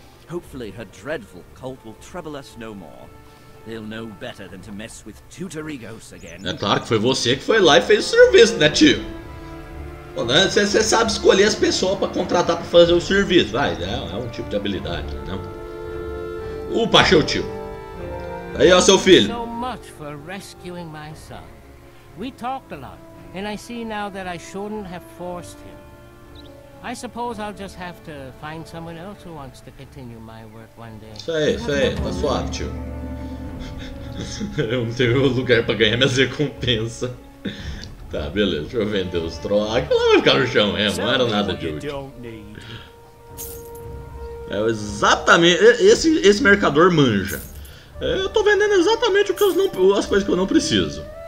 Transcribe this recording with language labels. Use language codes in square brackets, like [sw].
[en] Hopefully her dreadful cult will trouble us no more. They'll know better than to mess with Teotorigos again. [pt] É claro que foi você que foi lá e fez o serviço, né, tio? Pô, né? Você sabe escolher as pessoas pra contratar pra fazer o serviço. Vai, é um tipo de habilidade, né? Upa, achei o tio. Aí, ó, seu filho. [en] Thank you so much for rescuing my son. We talked a lot. And I see now that I shouldn't have forced him. I suppose I'll just have to find someone else who wants to continue my work one day. [pt] Isso aí, tá suave, tio. Eu não tenho lugar pra ganhar minhas recompensas. Tá, beleza, deixa eu vender os troços. Aquilo vai ficar no chão mesmo, não era nada de útil. É exatamente. Esse mercador manja. Eu tô vendendo exatamente as coisas que eu não preciso.